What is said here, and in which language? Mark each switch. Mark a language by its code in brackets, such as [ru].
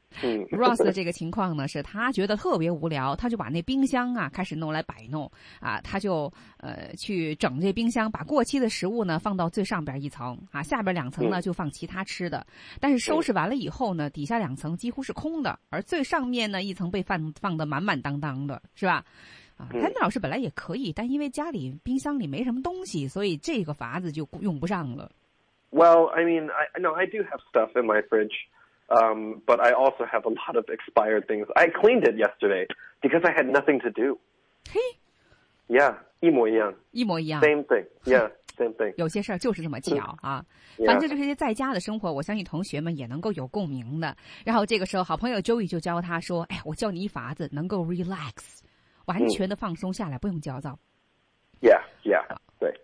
[zh] Ross 的这个情况呢，是他觉得特别无聊，他就把那冰箱啊开始弄来摆弄啊，他就去整这冰箱，把过期的食物呢放到最上边一层啊，下边两层呢就放其他吃的，但是收拾完了以后呢，底下两层几乎是空的，而最上面呢一层被放得满满当当的，是吧？啊，丹老师本来也可以，但因为家里冰箱里没什么东西，所以这个法子就用不上了。 [en] Well, I mean, I do have stuff in my fridge. But I also have a lot of expired things. I cleaned it yesterday because I had nothing to do. Hey. Yeah, [zh] 一模一样。一模一样。 [en] Same thing. Yeah, same thing. [zh] 有些事儿就是这么巧啊。 [en] Yeah. [zh] 反正就是些在家的生活，我相信同学们也能够有共鸣的。然后这个时候，好朋友 Joey 就教他说：“哎，我教你一法子，能够 relax， 完全的放松下来，不用焦躁。” [en] Yeah, yeah. [zh] 对，